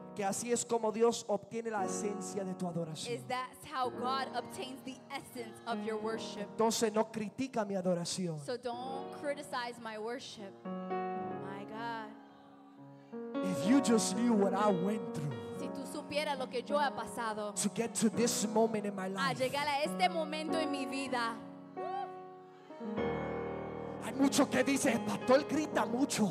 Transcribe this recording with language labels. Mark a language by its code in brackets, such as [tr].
[es] Que así es como Dios obtiene la esencia de tu adoración. [en] Is that how God obtains the essence of your worship? [es] Entonces no critica mi adoración. [en] So don't criticize my worship. My God. If you just knew what I went through. [es] Si tú supieras lo que yo he pasado. [en] To get to this moment in my life. [es] A llegar a este momento en mi vida. Hay muchos que dicen el pastor grita mucho.